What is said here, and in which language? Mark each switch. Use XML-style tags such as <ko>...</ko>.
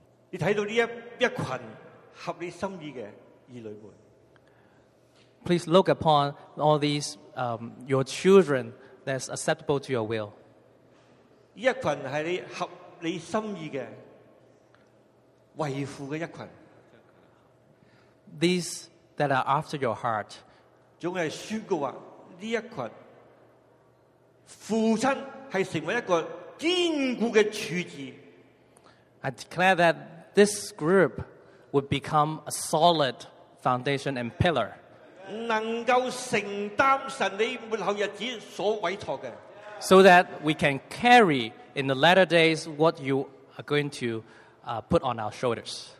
<zh>你看到这一群合你心意的儿女们。</zh> <en>Please look upon all these your children that's acceptable to your will.</en> <zh>一群是你合你心意的维护的一群</zh> <en>These that are after your heart.</en> <zh>总是宣告说这一群父亲是成为一个坚固的柱子</zh> <en>I declare that this group would become a solid foundation and pillar.</en> <zh>能够承担神你末后日子所委托的</zh> <en>so that we can carry in the latter days what you are going to put on our shoulders</en>